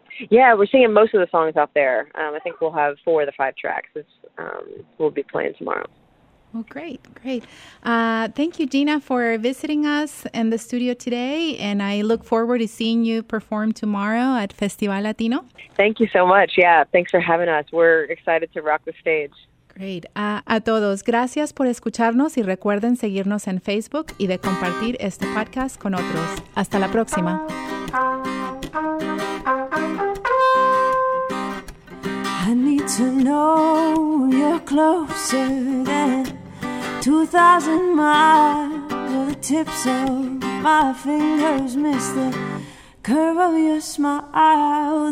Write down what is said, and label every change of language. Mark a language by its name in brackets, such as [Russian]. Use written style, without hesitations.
[English] Yeah, we're singing most of the songs out there. I think we'll have 4 of the 5 tracks we'll be playing tomorrow. Well, great, great. Thank you, Gina, for visiting us in the studio today. And I look forward to seeing you perform tomorrow at Festival Latino. Thank you so much. Yeah, thanks for having us. We're excited to rock the stage. Great. [Spanish] A todos, gracias por escucharnos y recuerden seguirnos en Facebook y de compartir este podcast con otros. Hasta la próxima. [English] I need to know you're closer than 2,000 miles. The tips of my fingers miss the curve of your smile.